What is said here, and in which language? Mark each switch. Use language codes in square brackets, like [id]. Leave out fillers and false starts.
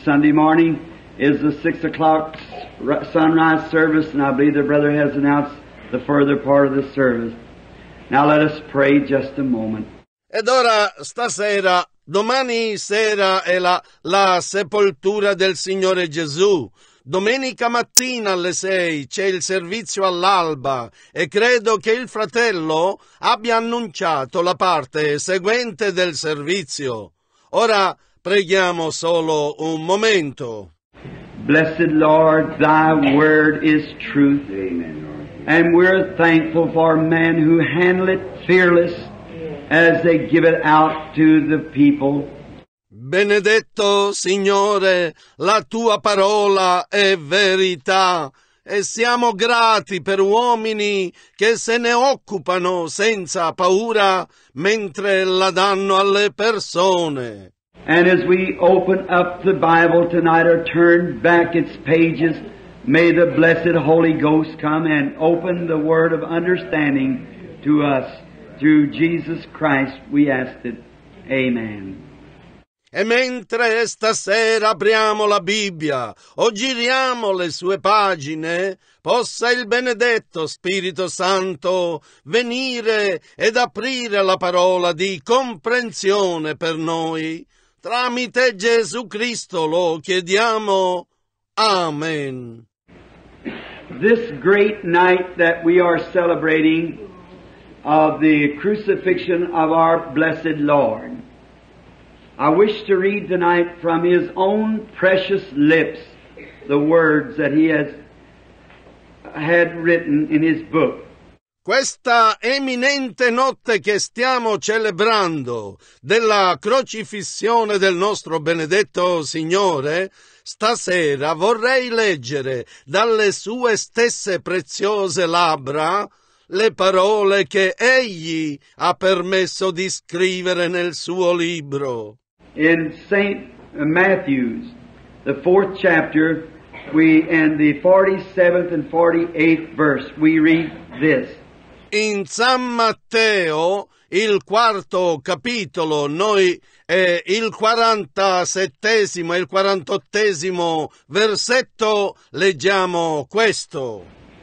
[en] Sunday morning is the 6 o'clock sunrise service, and I believe the brother has announced the further part of the service. Now let us pray just a moment. [it] Ed ora stasera, domani sera è la sepoltura del Signore Gesù. Domenica mattina alle 6 c'è il servizio all'alba e credo che il fratello abbia annunciato la parte seguente del servizio. Ora preghiamo solo un momento. [en] Blessed Lord, thy word is truth. Amen. And we're thankful for men who handle it fearless as they give it out to the people. [it] Benedetto, Signore, la Tua parola è verità, e siamo grati per uomini che se ne occupano senza paura mentre la danno alle persone. [en] And as we open up the Bible tonight or turn back its pages, may the blessed Holy Ghost come and open the word of understanding to us. Through Jesus Christ we ask it. Amen. [it] E mentre stasera apriamo la Bibbia o giriamo le sue pagine, possa il benedetto Spirito Santo venire ed aprire la parola di comprensione per noi. Tramite Gesù Cristo lo chiediamo. Amen. [en] This great night that we are celebrating of the crucifixion of our blessed Lord, I wish to read tonight from His own precious lips the words that he has had written in his book. [it] Questa eminente notte che stiamo celebrando della crocifissione del nostro benedetto Signore, stasera vorrei leggere dalle sue stesse preziose labbra le parole che egli ha permesso di scrivere nel suo libro. [en] In St. Matthew's, the fourth chapter, we and the 47th and 48th verse, we read this. [it] In San Matteo, il quarto capitolo, noi il 47esimo e il 48esimo versetto, leggiamo questo.